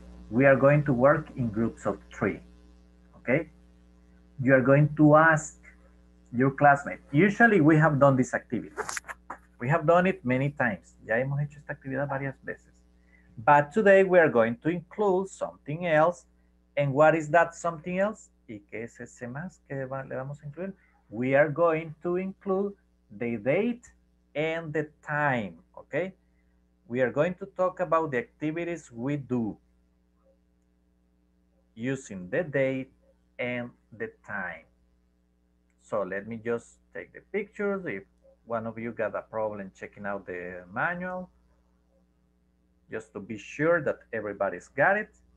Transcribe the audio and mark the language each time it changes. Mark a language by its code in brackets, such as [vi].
[en] We are going to work in groups of three, okay? You are going to ask your classmate. Usually we have done this activity. We have done it many times. [es] Ya hemos hecho esta actividad varias veces. [en] But today we are going to include something else. And what is that something else? [es] ¿Y qué es ese más que le vamos a incluir? [en] We are going to include the date and the time, okay? We are going to talk about the activities we do using the date and the time. So let me just take the pictures. If one of you got a problem checking out the manual, just to be sure that everybody's got it.